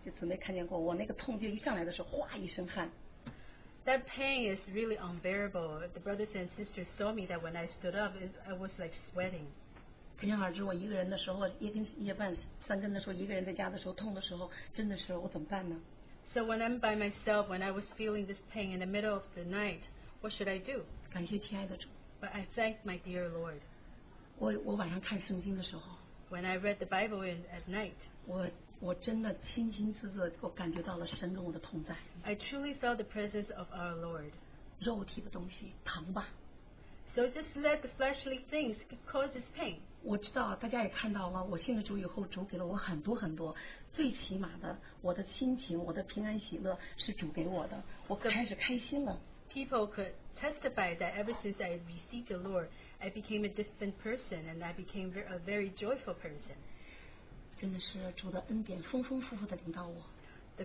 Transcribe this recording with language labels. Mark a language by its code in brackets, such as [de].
[zh] 哎呀，那个痛啊，简直是真的是24小时都不能忍耐。星期日的时候，我们的弟兄看见过，那姊妹看见过，我那个痛就一上来的时候，哗一身汗。 [en] That pain is really unbearable. The brothers and sisters saw me that when I stood up, I was like sweating. [zh] 可想而知，我一个人的时候，一根夜半三更的时候，一个人在家的时候，痛的时候，真的是我怎么办呢？ [en] So when I'm by myself, when I was feeling this pain in the middle of the night, what should I do? [zh] 感谢亲爱的主。 [en] But I thank my dear Lord. [zh] 我晚上看圣经的时候。 [en] When I read the Bible at night, [zh] 我真的清清自自，我感觉到了神跟我的同在。 [en] I truly felt the presence of our Lord. [zh] 肉体的东西，疼吧。 [en] So just let the fleshly things cause us pain. [zh] 我知道大家也看到了，我信了主以后，主给了我很多很多，最起码的我的亲情、我的平安喜乐是主给我的，我开始开心了。 [en] People could testify that ever since I received the Lord, I became a different person and I became a very joyful person. [zh] 真的是主的恩典丰丰富富的领导我。 [en] The